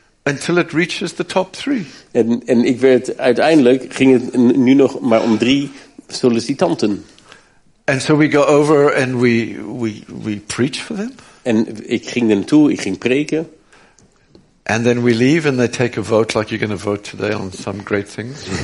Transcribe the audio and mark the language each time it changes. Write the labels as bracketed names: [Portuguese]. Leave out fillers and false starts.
[English] Until it reaches the top three. [Dutch] En ik werd uiteindelijk ging het nu nog maar om 3 sollicitanten. [English] And so we go over and we preach for them. [Dutch] En ik ging er naartoe, ik ging preken. [English] And then we leave and they take a vote like you're going to vote today on some great things.